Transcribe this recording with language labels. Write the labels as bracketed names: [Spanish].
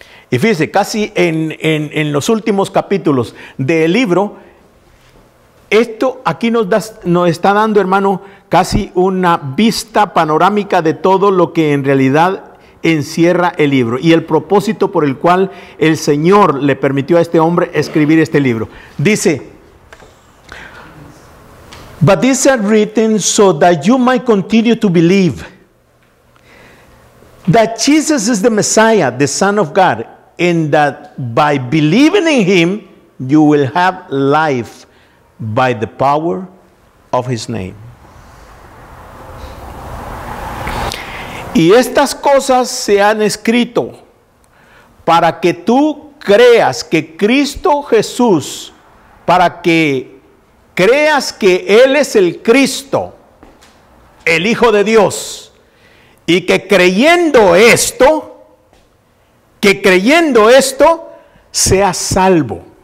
[Spanish] Y fíjese, casi en los últimos capítulos del libro, esto aquí nos está dando, hermano, casi una vista panorámica de todo lo que en realidad encierra el libro y el propósito por el cual el Señor le permitió a este hombre escribir este libro. [English] Dice: But these are written so that you might continue to believe that Jesus is the Messiah, the Son of God, and that by believing in Him, you will have life by the power of His name. [Spanish] Y estas cosas se han escrito para que tú creas que Cristo Jesús, para que creas que Él es el Cristo, el Hijo de Dios, y que creyendo esto, seas salvo.